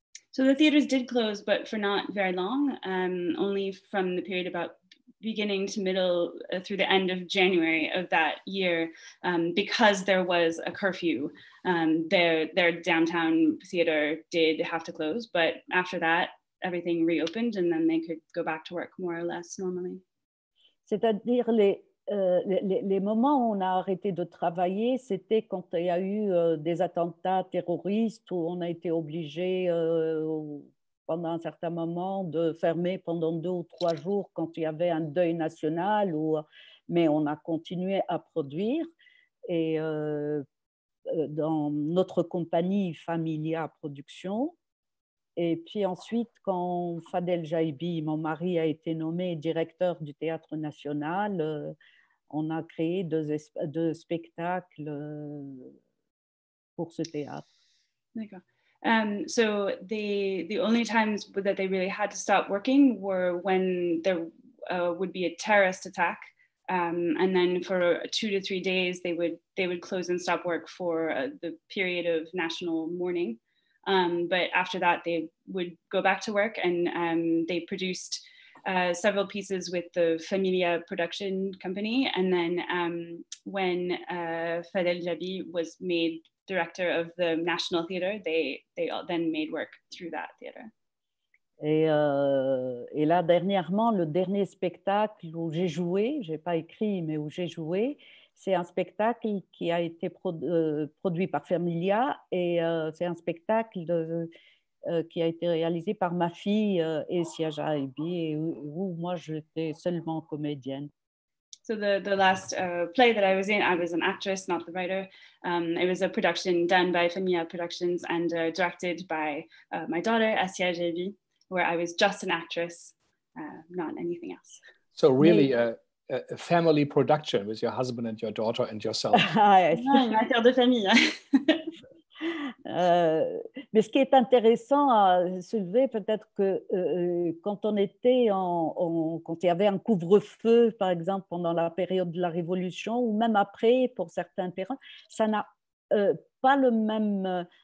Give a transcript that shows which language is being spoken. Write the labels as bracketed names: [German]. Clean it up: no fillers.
[English] So the theaters did close, but for not very long, only from the period about beginning to middle through the end of January of that year, because there was a curfew, their downtown theater did have to close, but after that everything reopened and then they could go back to work more or less normally. [French] C'est-à-dire les moments où on a arrêté de travailler, c'était quand il y a eu des attentats terroristes où on a été obligé pendant un certain moment, de fermer pendant 2 ou 3 jours quand il y avait un deuil national, mais on a continué à produire. Et dans notre compagnie Familia Production, et puis ensuite, quand Fadel Jaibi, mon mari, a été nommé directeur du Théâtre National, on a créé deux spectacles pour ce théâtre. D'accord. [English] So the only times that they really had to stop working were when there would be a terrorist attack, and then for 2 to 3 days they would close and stop work for the period of national mourning. But after that they would go back to work, and they produced several pieces with the Familia production company. And then when Fadel Jaibi was made director of the National Theater, they then made work through that theater. [French] Et là, dernièrement, le dernier spectacle où j'ai joué, j'ai pas écrit, mais où j'ai joué, c'est un spectacle qui a été produit par Familia, et c'est un spectacle qui a été réalisé par ma fille, Essia Jaibi, et où moi j'étais seulement comédienne. [English] So the last play that I was in, I was an actress, not the writer. It was a production done by Femia Productions and directed by my daughter, Asia Javi, where I was just an actress, not anything else. So really a family production with your husband and your daughter and yourself. [French] Une affaire de famille. Mais ce qui est intéressant à soulever, peut-être que quand on était quand il y avait un couvre-feu, par exemple, pendant la période de la Révolution, ou même après, pour certains terrains, ça n'a pas le même.